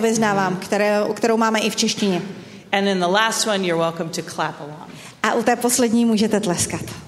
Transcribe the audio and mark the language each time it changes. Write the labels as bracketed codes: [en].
[cs] vyznávám, kterou máme i v češtině. [en] And in the last one, you're welcome to clap along. [cs] A u té poslední můžete tleskat.